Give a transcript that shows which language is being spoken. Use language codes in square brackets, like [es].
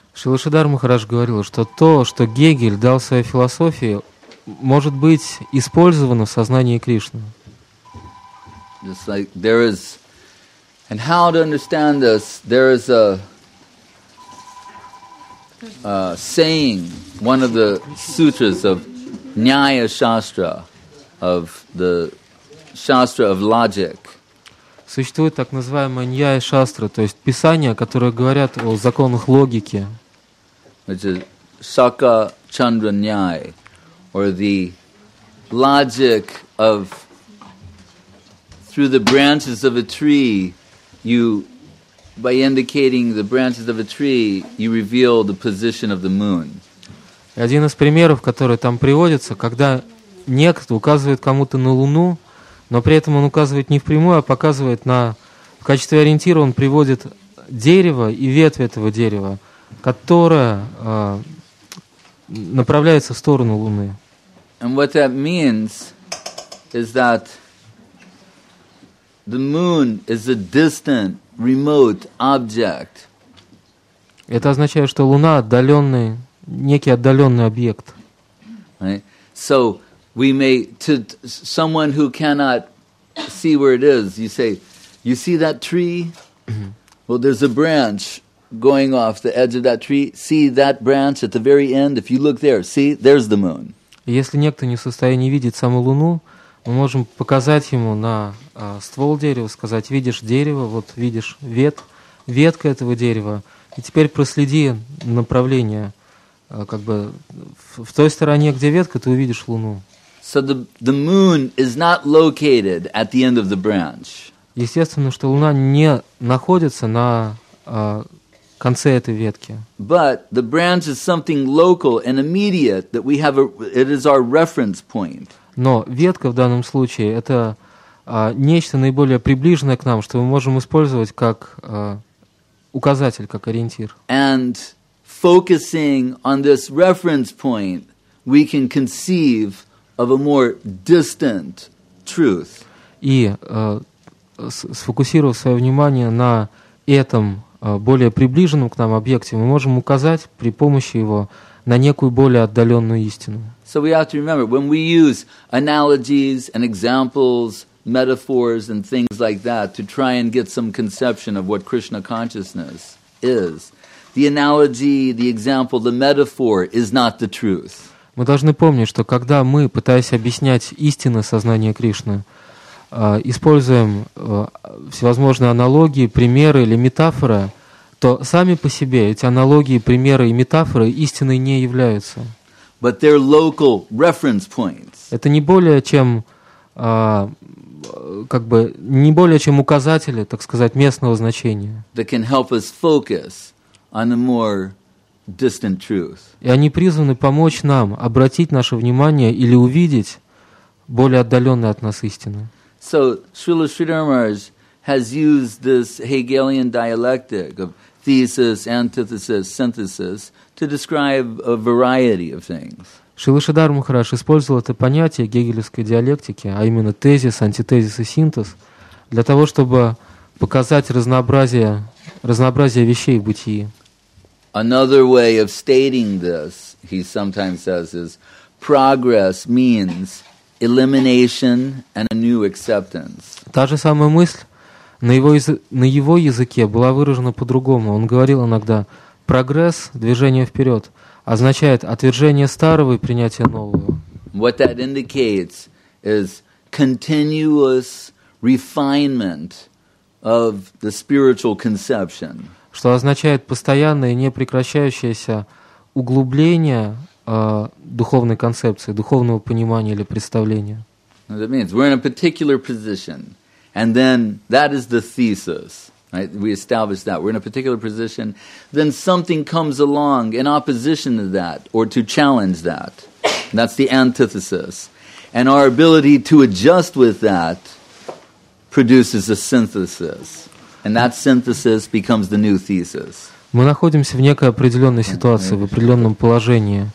[ru] Шрила Шридхар Махарадж говорил, что то, что Гегель дал своей философии, может быть использовано в сознании Кришны. [en] Just like there is, and how to understand this, there is a saying, one of the sutras of Nyaya Shastra, of the Shastra of Logic. [ru] Существует так называемая Nyaya Shastra, то есть писания, которые говорят о законах логики. [en] Which is Saka Chandra Nyay, or the logic of through the branches of a tree, you, by indicating the branches of a tree, you reveal the position of the moon. [ru] Один из примеров, который там приводится, когда некто указывает кому-то на Луну, но при этом он указывает не впрямую, а показывает на, в качестве ориентира он приводит дерево и ветви этого дерева, которая направляется в сторону Луны. [en] And what that means is that the moon is a distant, remote object. [ru] Это означает, что Луна отдаленный, некий отдаленный объект. [en] Right? So we may to someone who cannot see where it is, you say, you see that tree? Well, there's a branch going off the edge of that tree, see that branch at the very end, if you look there, see, there's the moon. [ru] Если некто не в состоянии видеть саму Луну, мы можем показать ему на ствол дерева, сказать, видишь дерево, вот видишь ветка этого дерева, и теперь проследи направление, как бы, в той стороне, где ветка, ты увидишь Луну. [en] So the moon is not located at the end of the branch. [ru] Естественно, что Луна не находится на конце этой ветки. [en] But the branch is something local and immediate that we have a, it is our reference point. [ru] Но ветка в данном случае это нечто наиболее приближенное к нам, что мы можем использовать как указатель, как ориентир. [en] And focusing on this reference point, we can conceive of a more distant truth. [ru] И сфокусировав свое внимание на этом более приближенным к нам объекте, мы можем указать при помощи его на некую более отдаленную истину. [en] So we have to remember, when we use analogies and examples, metaphors and things like that to try and get some conception of what Krishna consciousness is, the analogy, the example, the metaphor is not the truth. [ru] Мы должны помнить, что когда мы, пытаясь объяснять истину сознания Кришны, используем всевозможные аналогии, примеры или метафоры, то сами по себе эти аналогии, примеры и метафоры истиной не являются. [en] But they're local reference points. [ru] Это не более чем, как бы, не более чем указатели, так сказать, местного значения. [en] That can help us focus on a more distant truth. [ru] И они призваны помочь нам обратить наше внимание или увидеть более отдаленные от нас истины. [en] So, Srila Sridhar Maharaj has used this Hegelian dialectic of thesis, antithesis, synthesis to describe a variety of things. [ru] Srila Sridhar Maharaj использовал это понятие гегелевской диалектики, а именно тезис, антитезис и синтез, для того, чтобы показать разнообразие вещей в бытии. [en] Another way of stating this, he sometimes says, is progress means elimination and a new acceptance. [ru] Та же самая мысль на его языке была выражена по-другому. Он говорил иногда: прогресс, движение вперед, означает отвержение старого и принятие нового. [en] What that indicates is continuous refinement of the spiritual conception. [ru] Что означает постоянное и непрекращающееся углубление духовной концепции, духовного понимания или представления. [en] That means we're in a particular position, and then that is the thesis. Right? We establish that we're in a particular position. Then something comes along in opposition to that, or to challenge that. That's the antithesis, and our ability to adjust with that produces a synthesis, and that synthesis becomes the new thesis. [ru] Мы находимся в некой определенной ситуации, в определенном положении.